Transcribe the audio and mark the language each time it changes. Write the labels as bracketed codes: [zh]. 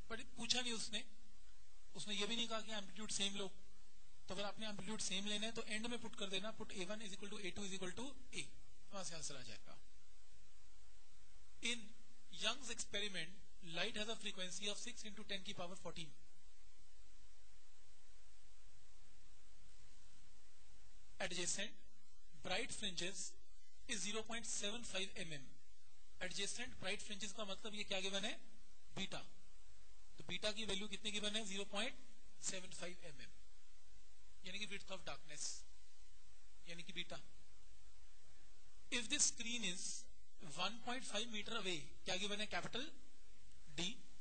[hi] But पूछा नहीं उसने, उसने ये भी नहीं कहा कि एम्पलीट्यूड सेम लो। तो अगर आपने एम्पलीट्यूड सेम लेने तो एंड में पुट कर देना, [en] put A1 is equal to A2 is equal to A, [hi] वहां से आंसर आ जाएगा। [en] In Young's experiment light has a frequency of 6×10^14। Adjacent bright fringes is 0.75 mm. [hi] Adjacent bright fringes का मतलब ये क्या गिवन है, बीटा। तो बीटा की वैल्यू कितने गिवन है, 0.75 mm, यानी कि विड्थ ऑफ डार्कनेस, यानी कि beta. [en] if this screen is 1.5 meter away, [hi] क्या गिवन है, [en] Capital D.